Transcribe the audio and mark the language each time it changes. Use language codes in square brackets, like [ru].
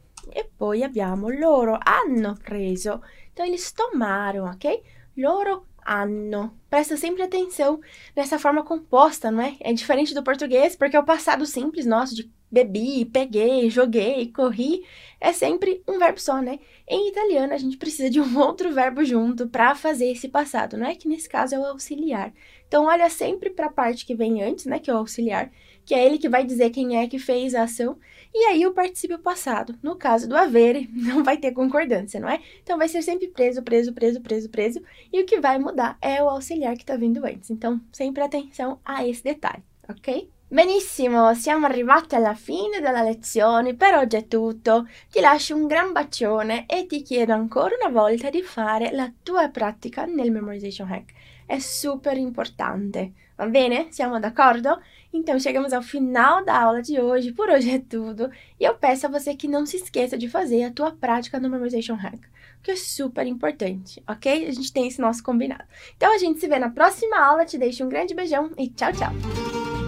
[it] E poi abbiamo loro hanno preso. [pt] Então, eles tomaram, ok? [it] Loro hanno. [pt] presta sempre atenção nessa forma composta, não é? É diferente do português, porque o passado simples nosso de bebi, peguei, joguei, corri é sempre um verbo só, né? Em italiano, a gente precisa de um outro verbo junto para fazer esse passado, não é? Que nesse caso é o auxiliar. Então, olha sempre para a parte que vem antes, né? Que é o auxiliar, que é ele que vai dizer quem é que fez a ação. E aí, o participio passado. No caso do avere, não vai ter concordância, não é? Então, vai ser sempre preso, preso, preso, preso, preso. E o que vai mudar é o auxiliar que está vindo antes. Então, sempre atenção a esse detalhe, ok? [it] Benissimo, siamo arrivati alla fine della lezione, per oggi è tutto. Ti lascio un gran bacione e ti chiedo ancora una volta di fare la tua pratica nel memorization hack. È super importante, va bene? Siamo d'accordo? [pt] Então chegamos ao final da aula de hoje, por hoje [it] è tutto. [pt] E eu peço a você che non si esqueça [it] di fare la tua pratica [pt] no memorization hack, [it] che è super importante, [pt] ok? A gente tem esse nosso combinato. Então a gente se vê na prossima aula, te deixo um grande beijão e tchau, tchau!